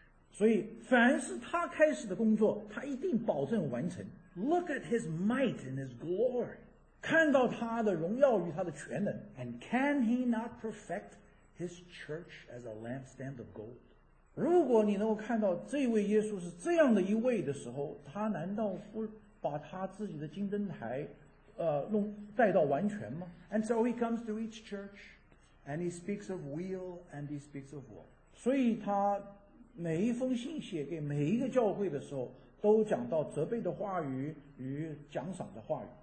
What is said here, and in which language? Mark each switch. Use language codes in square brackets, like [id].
[zh] 所以，凡是他开始的工作，他一定保证完成。 [en] Look at his might and his glory. [zh] 看到他的荣耀与他的全能。 [en] And can he not perfect his church as a lampstand of gold? [zh] 如果你能够看到这位耶稣是这样的一位的时候，他难道不把他自己的金灯台带到完全吗？ [en] And so he comes to each church and he speaks of weal and he speaks of woe. [zh] 所以他每一封信写给每一个教会的时候都讲到责备的话语与奖赏的话语。